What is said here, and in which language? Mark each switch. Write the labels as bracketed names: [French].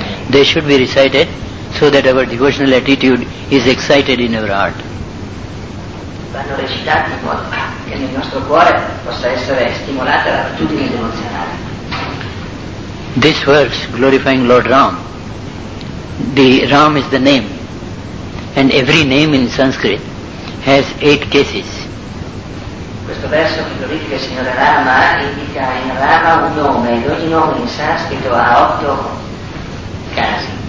[English] They should be recited so that our devotional attitude is excited in our heart. [Italian] Vanno recitati in modo che nel nostro cuore possa essere stimolata l'attitudine devozionale. [English] This verse glorifying Lord Ram. The Ram is the name, and every name in Sanskrit has 8 cases. [Italian] Questo verso che glorifica il Signore Rama indica in Rama un nome, e ogni nome in sanscrito ha 8 casi.